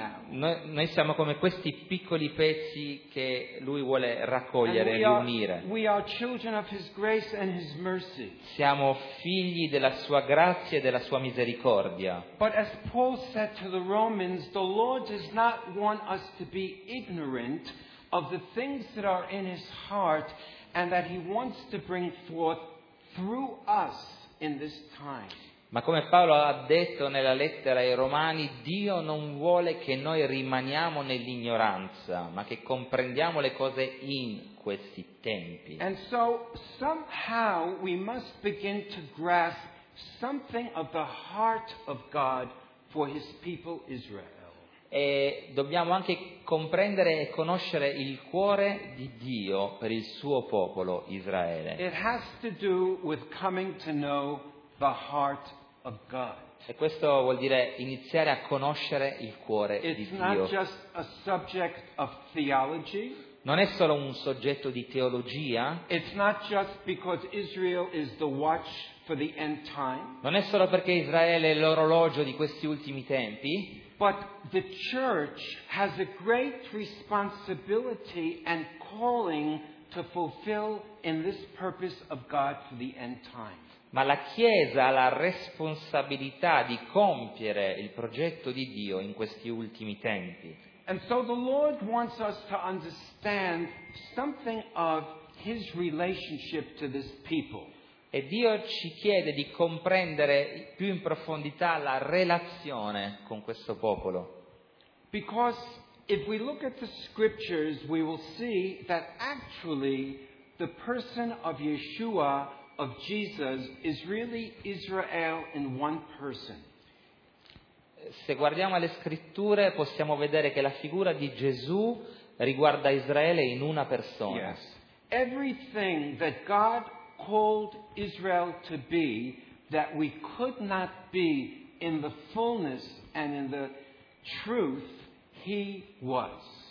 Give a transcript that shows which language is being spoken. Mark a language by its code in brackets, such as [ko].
[it] Noi siamo come questi piccoli pezzi che lui vuole raccogliere e riunire. [en] We are children of his grace and his mercy. [it] Siamo figli della sua grazia e della sua misericordia. [en] But as Paul said to the Romans, the Lord does not want us to be ignorant of the things that are in his heart and that he wants to bring forth through us in this time. [it] Ma come Paolo ha detto nella lettera ai Romani, Dio non vuole che noi rimaniamo nell'ignoranza, ma che comprendiamo le cose in questi tempi. [en] And so somehow we must begin to grasp something of the heart of God for his people Israel. [it] E dobbiamo anche comprendere e conoscere il cuore di Dio per il suo popolo Israele. [en] It has to do with coming to know the heart of God. [it] E questo vuol dire iniziare a conoscere il cuore di Dio. [en] It's not just a subject of theology. [it] Non è solo un soggetto di teologia. [en] It's not just because Israel is the watch for the end time. [it] Non è solo perché Israele è l'orologio di questi ultimi tempi. [en] But the church has a great responsibility and calling to fulfill in this purpose of God for the end time. [it] Ma la Chiesa ha la responsabilità di compiere il progetto di Dio in questi ultimi tempi. [en] And so the Lord wants us to understand something of his relationship to this people. [it] E Dio ci chiede di comprendere più in profondità la relazione con questo popolo. [en] Because if we look at the scriptures, we will see that actually the person of Yeshua, of Jesus, is really Israel in one person. [it] Se guardiamo alle scritture, possiamo vedere che la figura di Gesù riguarda Israele in una persona. [en] Yes. Everything that God called Israel to be that we could not be in the fullness and in the truth he was.